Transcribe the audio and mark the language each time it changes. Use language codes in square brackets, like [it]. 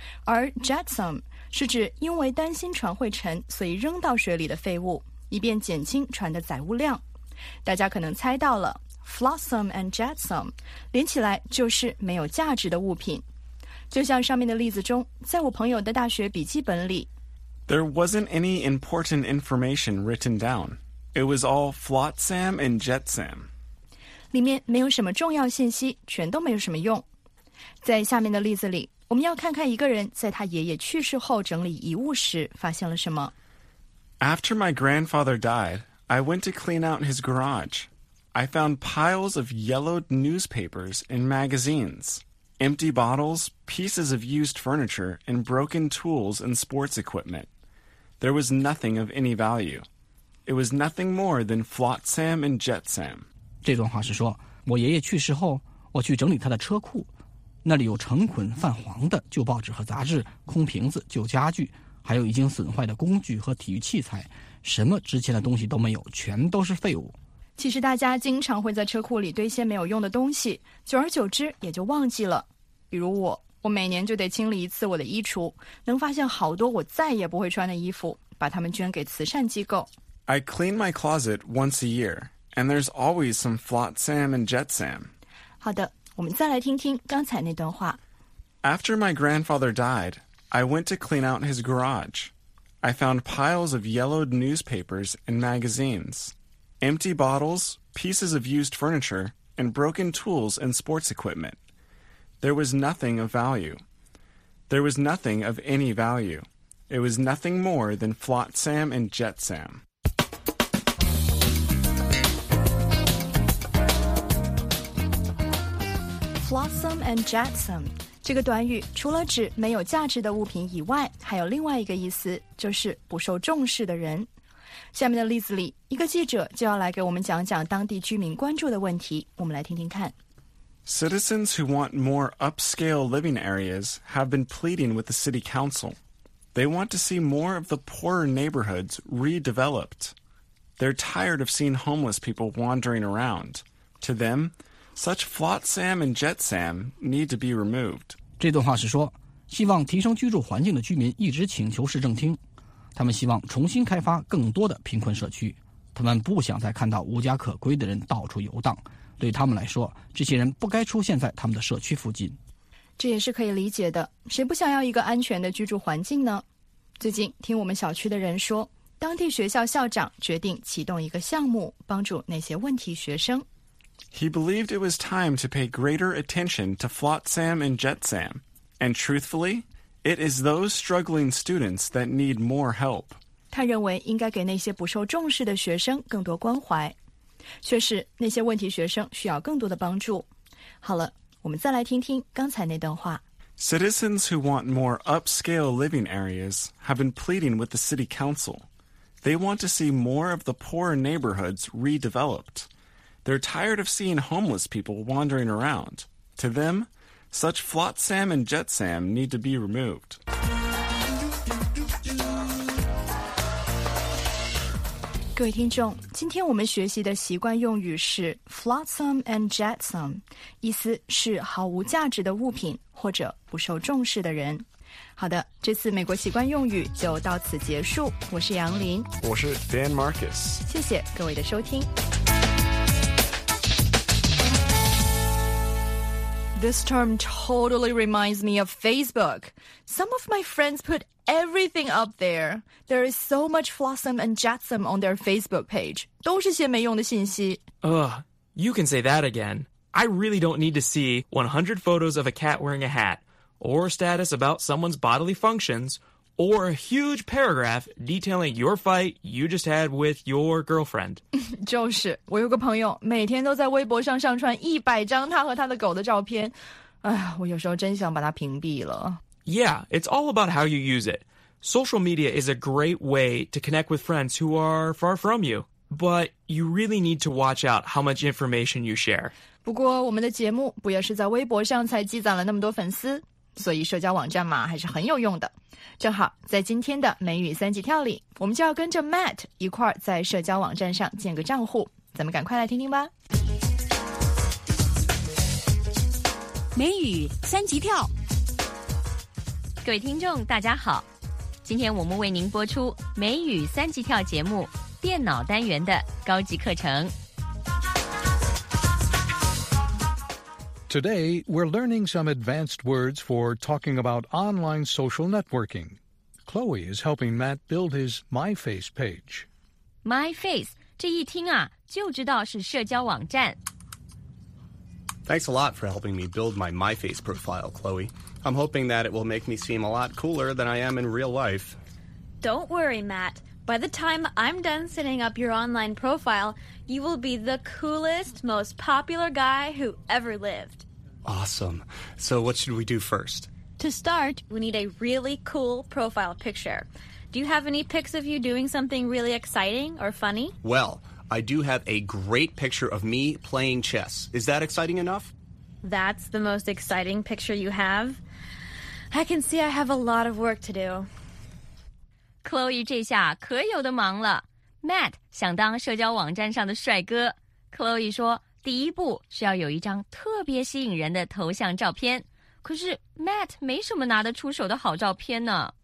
[zh] 而 Jetsam 是指因为担心船会沉所以扔到水里的废物以便减轻船的载物量。大家可能猜到了。Flotsam and jetsam 连起来就是没有价值的物品就像上面的例子中在我朋友的大学笔记本里 [en] There wasn't any important information written down It was all flotsam and jetsam [zh] 里面没有什么重要信息全都没有什么用在下面的例子里我们要看看一个人在他爷爷去世后整理遗物时发现了什么 [en] After my grandfather died I went to clean out his garageI found piles of yellowed newspapers and magazines, empty bottles, pieces of used furniture, and broken tools and sports equipment. There was nothing of any value. It was nothing more than flotsam and jetsam. [zh] 这段话是说，我爷爷去世后，我去整理他的车库，那里有成捆泛黄的旧报纸和杂志、空瓶子、旧家具，还有已经损坏的工具和体育器材，什么值钱的东西都没有，全都是废物。其实大家经常会在车库里堆些没有用的东西久而久之也就忘记了比如我我每年就得清理一次我的衣橱，能发现好多我再也不会穿的衣服，把它们捐给慈善机构。 [en] I clean my closet once a year, and there's always some flotsam and jetsam. [zh] 好的，我们再来听听刚才那段话。 [en] After my grandfather died, I went to clean out his garage. I found piles of yellowed newspapers and magazines, empty bottles, pieces of used furniture, and broken tools and sports equipment. There was nothing of value. There was nothing of any value. It was nothing more than flotsam and jetsam. Flotsam and jetsam. [zh] 这个短语除了指没有价值的物品以外，还有另外一个意思，就是不受重视的人。下面的例子里，一个记者就要来给我们讲讲当地居民关注的问题，我们来听听看。 Citizens who want more upscale living areas have been pleading with the city council. They want to see more of the poorer neighborhoods redeveloped. They're tired of seeing homeless people wandering around. To them,Such flotsam and jetsam need to be removed. 这段话是说，希望提升居住环境的居民一直请求市政厅，他们希望重新开发更多的贫困社区，他们不想再看到无家可归的人到处游荡，对他们来说，这些人不该出现在他们的社区附近。这也是可以理解的，谁不想要一个安全的居住环境呢？最近听我们小区的人说，当地学校校长决定启动一个项目，帮助那些问题学生。 [en] He believed it was time to pay greater attention to flotsam and jetsam. And truthfully, it is those struggling students that need more help. [zh] 他认为应该给那些不受重视的学生更多关怀。确实，那些问题学生需要更多的帮助。好了，我们再来听听刚才那段话。 [en] Citizens who want more upscale living areas have been pleading with the city council. They want to see more of the poorer neighborhoods redeveloped. They're tired of seeing homeless people wandering around. To them, such flotsam and jetsam need to be removed. [zh] Good 听众，今天我们学习的习惯用语是 flotsam and jetsam, 意思是毫无价值的物品或者不受重视的人。好的，这次美国习惯用语就到此结束。我是杨林，我是 Dan Marcus。谢谢各位的收听。 [en] This term totally reminds me of Facebook. Some of my friends put everything up there. There is so much flotsam and jetsam on their Facebook page. [zh] 都是些没用的信息。 [en] Ugh, you can say that again. I really don't need to see 100 photos of a cat wearing a hat, or a status about someone's bodily functions, or a huge paragraph detailing your fight you just had with your girlfriend. [zh] 就是，我有个朋友每天都在微博上上传100张他和他的狗的照片。哎，我有时候真想把他屏蔽了。 [en] Yeah, it's all about how you use it. Social media is a great way to connect with friends who are far from you. But you really need to watch out how much information you share. [zh] 不过我们的节目不也是在微博上才积攒了那么多粉丝？所以社交网站嘛，还是很有用的。正好在今天的美语三级跳里，我们就要跟着 Matt 一块儿在社交网站上建个账户。咱们赶快来听听吧。美语三级跳，各位听众大家好，今天我们为您播出美语三级跳节目电脑单元的高级课程。 [en] Today, we're learning some advanced words for talking about online social networking. Chloe is helping Matt build his MyFace page. [zh] MyFace, 这一听啊，就知道是社交网站。 [en] Thanks a lot for helping me build my MyFace profile, Chloe. I'm hoping that it will make me seem a lot cooler than I am in real life. Don't worry, Matt. By the time I'm done setting up your online profile... You will be the coolest, most popular guy who ever lived. Awesome. So what should we do first? To start, we need a really cool profile picture. Do you have any pics of you doing something really exciting or funny? Well, I do have a great picture of me playing chess. Is that exciting enough? That's the most exciting picture you have? I can see I have a lot of work to do. [zh] Chloe 这下可有的忙了。Matt 想当社交网站上的帅哥。 Chloe 说，第一步需要有一张特别吸引人的头像照片。可是 Matt 没什么拿得出手的好照片呢。